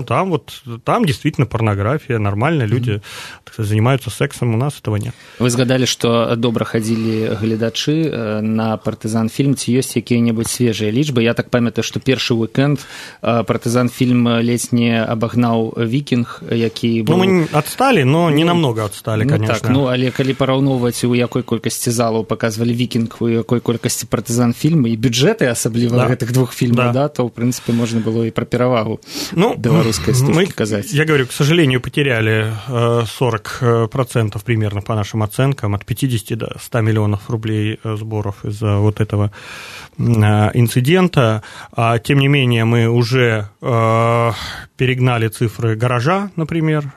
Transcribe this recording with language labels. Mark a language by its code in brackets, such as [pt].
[ru] Там вот, там действительно порнография, нормально. Люди занимаются сексом, у нас этого нет. Вы сгадали, что добра ходили глядачи на «Партизан фильм». [be] Ці ёсць якія-небудь свежие личбы? Я так памятаю, что первый уикенд «Партизан фильм» ледь не абагнаў вікінг, які быў... Ну, мы адсталі, но не намнога адсталі, конечно. Ну, так, ну, але калі параўноўваць, у якой колькасці залаў паказвалі вікінг, у якой колькасці партызан фільмы і бюджэты, асабліва да. гэтых двух фільмаў, да. да, то, в прынцыпе, можна было і пра перавагу ну, беларускай стужкі казаць. [ru] Я говорю, к сожалению, потеряли 40% примерно, по нашим оценкам, от 50 до 100 миллионов рублей сборов из-за вот этого инцидента. А, тем не менее, мы уже перегнали цифры «Гаража», например.